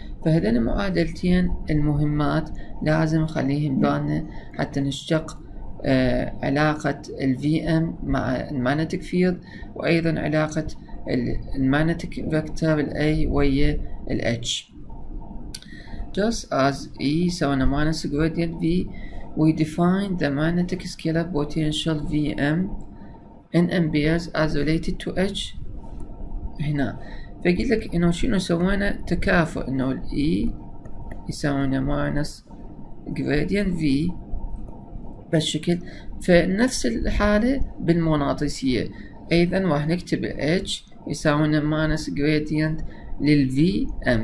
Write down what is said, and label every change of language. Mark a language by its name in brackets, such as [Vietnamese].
[Arabic] فهذين المعادلتين المهمات لازم نخليهم بالنا حتى نشتق علاقة الفي ام مع الماجنتيك فيلد، وايضا علاقة الماجنتيك فيكتور الاي ويا الاتش. [English] just as E يساوينا minus gradient V we define the magnetic scalar potential Vm in amperes as related to H. [Arabic] هنا فقلت لك انه شنو سوينا، تكافؤ انه الاي يساوينا minus gradient V بالشكل. فنفس الحالة بالمغناطيسية ايضا راح نكتب H يساوينا ماينس جريدينت للفي ام.